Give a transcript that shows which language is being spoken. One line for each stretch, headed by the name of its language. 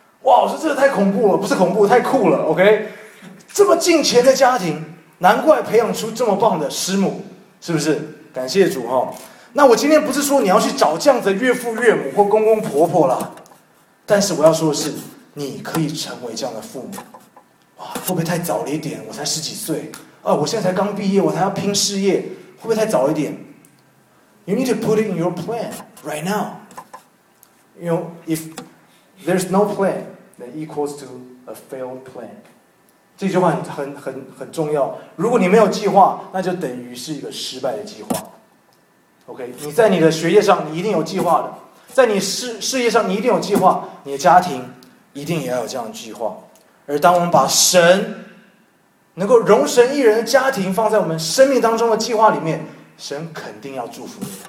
Chinese: 哇，我说这个太恐怖了，不是恐怖，太酷了。OK， 这么近前的家庭，难怪培养出这么棒的师母，是不是？感谢主哈！那我今天不是说你要去找这样子的岳父岳母或公公婆婆啦，但是我要说的是，你可以成为这样的父母。哇，会不会太早了一点？我才十几岁，我现在才刚毕业，我才要拼事业，会不会太早一点？
English: You need to put it in your plan right now. You know, if there's no plan, that equals to a failed plan.
Chinese: 这句话很重要。如果你没有计划，那就等于是一个失败的计划。 OK， 你在你的学业上，你一定有计划的；在你事业上，你一定有计划；你的家庭一定也要有这样的计划。而当我们把神能够容神一人的家庭放在我们生命当中的计划里面，神肯定要祝福你。